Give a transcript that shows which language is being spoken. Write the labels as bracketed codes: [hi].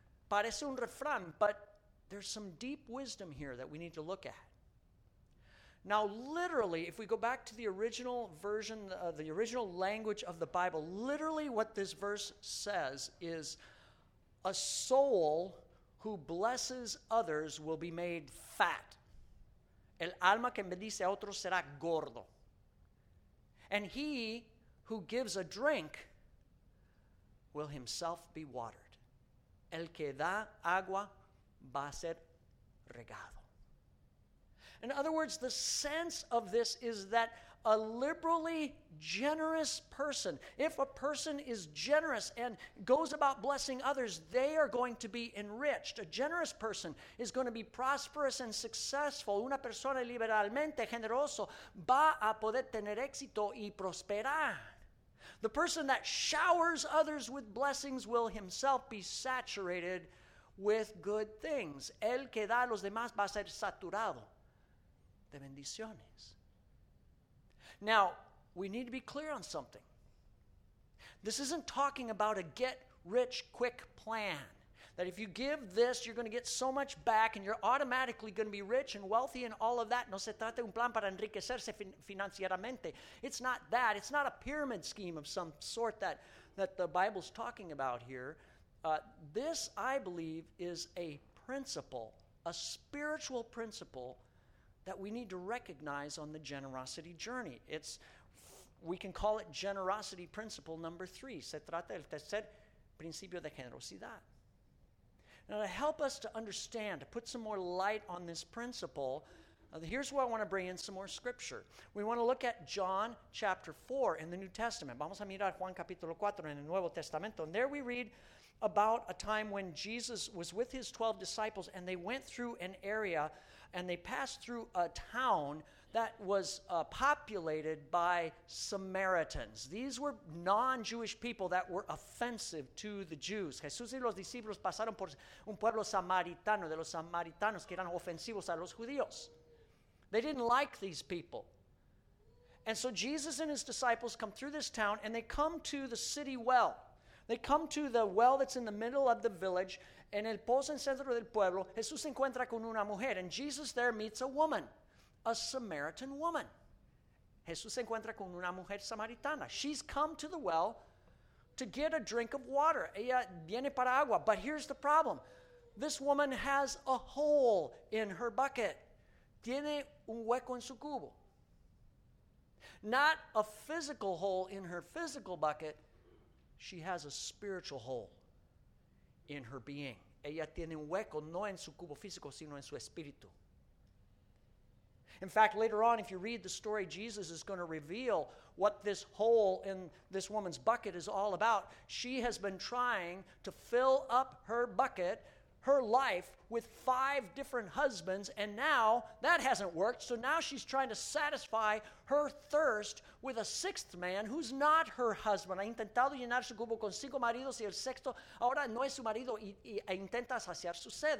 [es] Parece un refrán, [en] but there's some deep wisdom here that we need to look at. Now, literally, if we go back to the original version, the original language of the Bible, literally what this verse says is, a soul who blesses others will be made fat. [es] El alma que bendice a otros será gordo. [en] And he who gives a drink will himself be watered. [es] El que da agua va a ser regado. [en] In other words, the sense of this is that a liberally generous person, if a person is generous and goes about blessing others, they are going to be enriched. A generous person is going to be prosperous and successful. [es] Una persona liberalmente generoso va a poder tener éxito y prosperar. [en] The person that showers others with blessings will himself be saturated with good things. [es] El que da a los demás va a ser saturado de bendiciones. [en] Now, we need to be clear on something. This isn't talking about a get-rich-quick plan, that if you give this, you're going to get so much back, and you're automatically going to be rich and wealthy and all of that. [es] No se trata de un plan para enriquecerse financieramente. [en] It's not that. It's not a pyramid scheme of some sort that the Bible's talking about here. This, I believe, is a principle, a spiritual principle that we need to recognize on the generosity journey. We can call it generosity principle number 3. [es] Se trata del tercer principio de generosidad. [en] Now, to help us to understand, to put some more light on this principle, here's where I want to bring in some more scripture. We want to look at John chapter 4 in the New Testament. [es] Vamos a mirar Juan capítulo 4 en el Nuevo Testamento. [en] And there we read about a time when Jesus was with his 12 disciples and they went through an area and they passed through a town that was populated by Samaritans. These were non-Jewish people that were offensive to the Jews. [es] Jesús y los discípulos pasaron por un pueblo samaritano, de los samaritanos que eran ofensivos a los judíos. [en] They didn't like these people. And so Jesus and his disciples come through this town and they come to the city well. They come to the well that's in the middle of the village. [es] En el pozo en centro del pueblo, Jesús se encuentra con una mujer. [en] And Jesus there meets a woman, a Samaritan woman. [es] Jesús se encuentra con una mujer samaritana. [en] She's come to the well to get a drink of water. [es] Ella viene para agua. [en] But here's the problem. This woman has a hole in her bucket. [es] Tiene un hueco en su cubo. [en] Not a physical hole in her physical bucket. She has a spiritual hole in her being. [es] Ella tiene un hueco, no en su cubo físico, sino en su espíritu. [en] In fact, later on, if you read the story, Jesus is going to reveal what this hole in this woman's bucket is all about. She has been trying to fill up her bucket, her life, with five different husbands, and now that hasn't worked, so now she's trying to satisfy her thirst with a sixth man who's not her husband. [es] Ha intentado llenar su cubo con cinco maridos y el sexto ahora no es su marido y intenta saciar su sed.